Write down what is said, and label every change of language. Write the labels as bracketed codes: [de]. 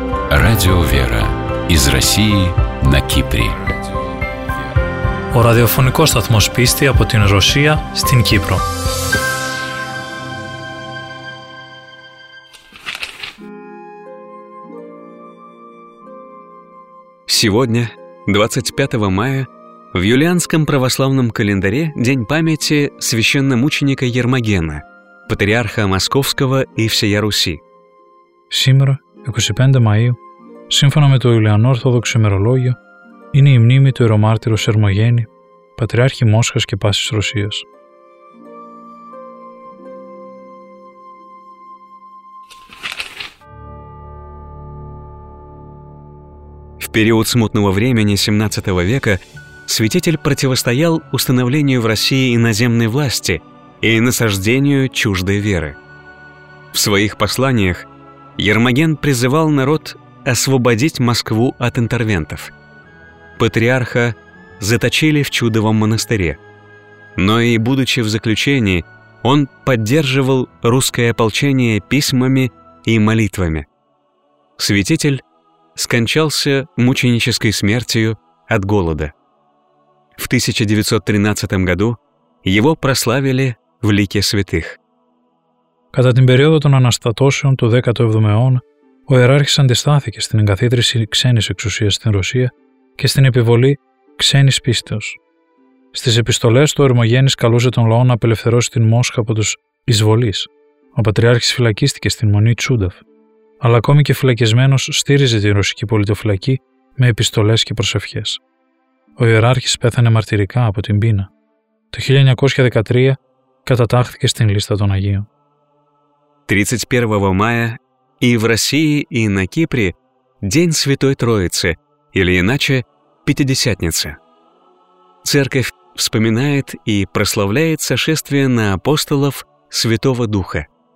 [ru] Радио Вера из России на Кипре. [el] Ο ραδιοφωνικός σταθμός πίστη από την Ρωσία στην Κύπρο. [ru] Сегодня, 25 мая, в юлианском православном календаре день памяти священномученика Ермогена, патриарха Московского и всея Руси. Сегодня, 25 мая, [el] σύμφωνα με το Ιουλιανόρθοδοξο ημερολόγιο, είναι η μνήμη του ιερομάρτυρου Ερμογένη, πατριάρχη Μόσχας και Πάσης Ρωσίας. [ru] В период смутного времени 17 века святитель противостоял установлению в России иноземной власти и насаждению чуждой веры. В своих посланиях Ермоген призывал народ освободить Москву от интервентов. Патриарха заточили в чудовом монастыре. Но и будучи в заключении, он поддерживал русское ополчение письмами и молитвами. Святитель скончался мученической смертью от голода. В 1913 году его прославили в лике святых. [el] Κατά την περίοδο των Αναστατώσεων του 17ου αιώνα, ο Ιεράρχης αντιστάθηκε στην εγκαθίδρυση ξένης εξουσίας στην Ρωσία και στην επιβολή ξένης πίστεως. Στις επιστολές του, ο Ερμογένης καλούσε τον λαό να απελευθερώσει την Μόσχα από τους εισβολείς. Ο Πατριάρχης φυλακίστηκε στην Μονή Τσούνταφ, αλλά ακόμη και φυλακισμένος στήριζε την ρωσική πολιτοφυλακή με επιστολές και προσευχές. Ο Ιεράρχης πέθανε μαρτυρικά από την πείνα. Το 1913 κατατάχθηκε στην λίστα των Αγίων. [ru] 31 мая и в России, и на Кипре День Святой Троицы, или иначе Пятидесятница. Церковь вспоминает и прославляет сошествие на апостолов Святого Духа.